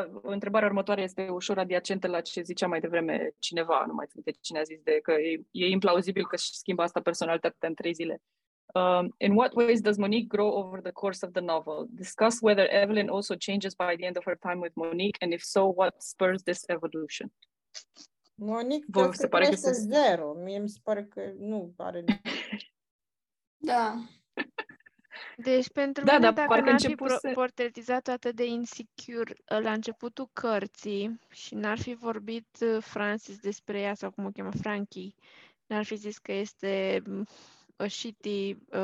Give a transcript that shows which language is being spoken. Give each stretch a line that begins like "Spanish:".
Romanian: Întrebarea următoare este ușor adiacentă la ce zicea mai devreme cineva, nu mai țin de cine a zis, de că e implauzibil că își schimbă asta personalitatea în 3 zile.
English: In what ways does Monique grow over the course of the novel? Discuss whether Evelyn also changes by the end of her time with Monique, and if so, what spurs this evolution? Monique doesn't progress to zero.
Romanian: Mie mi se pare că nu pare. Da. Deci pentru mine, da, dacă n-ar fi portretizat atât de insecure la începutul cărții și n-ar fi vorbit Francis despre ea, sau cum o cheamă, Frankie, n-ar fi zis că este
English: a shitty